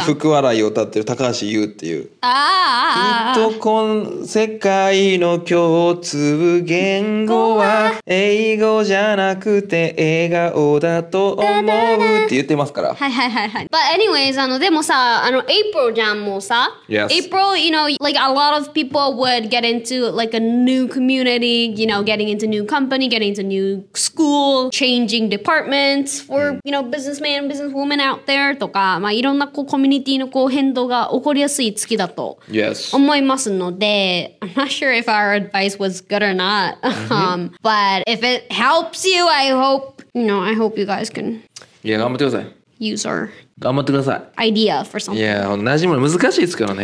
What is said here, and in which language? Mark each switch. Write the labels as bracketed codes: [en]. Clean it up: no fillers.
[ja] 福笑いを歌ってる高橋優っていう。ああ。きっとこの世界の共通言語は英語じゃなくて笑顔だと思うって言ってますから。はいはいはいはい。 [en] But anyways, [ja] でもさ、April じゃん、もうさ。 [en] Yes. April, you know, like a lot of people would get into like a new community, you know, getting into new company, getting into new school, changing departments for, you know, businessman, businesswoman out there. [ja] とか、まあ、いろんなこうコミュニティのこう変動が起こりやすい月だと思いますので、 [en] yes. I'm not sure if our advice was good or not. But if it helps you, I hope you guys can. [ja] いや、頑張ってください。 [en] Use our [ja] 頑張ってください。 [en] Idea for something. [ja] いや、馴染むの難しいですからね。